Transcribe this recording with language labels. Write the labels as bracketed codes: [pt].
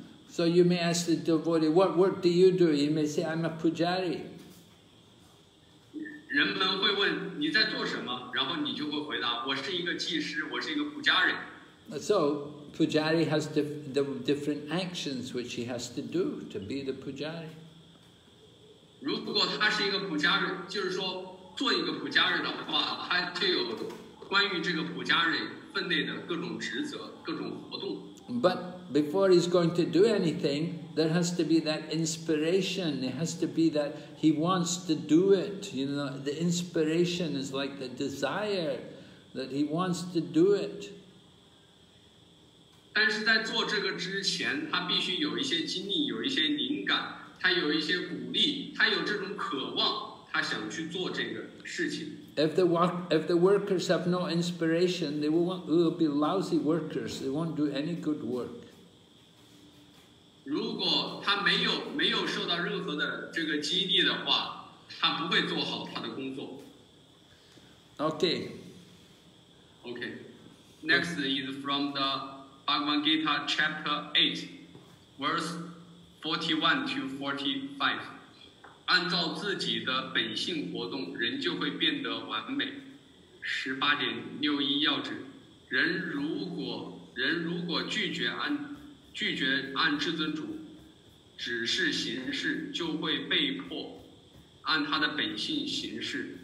[en] So you may ask the devotee, what work do you do? You may say, I'm a pujari. [zh] 人们会问你在做什么，然后你就会回答，我是一个祭师，我是一个 pujari。 [en] So pujari has the different actions which he has to do to be the pujari. [zh] 如果他是一个普加人，就是说做一个普加人的话，他就有关于这个普加人分内的各种职责、各种活动。 [en] But before he's going to do anything, there has to be that inspiration. It has to be that he wants to do it. You know, the inspiration is like the desire that he wants to do it. [zh] 但是在做这个之前，他必须有一些经历，有一些灵感。他有一些鼓励，他有这种渴望，他想去做这个事情。 [en] If the workers have no inspiration, they will be lousy workers. They won't do any good work. [zh] 如果他没有受到任何的这个激励的话，他不会做好他的工作。 [en] Okay. Okay. Next is from the Bhagavad Gita chapter 8, verse. [zh] 41-45, 按照自己的本性活动，人就会变得完美。 18.61要旨，人如果拒绝按至尊主指示行事，就会被迫按他的本性行事。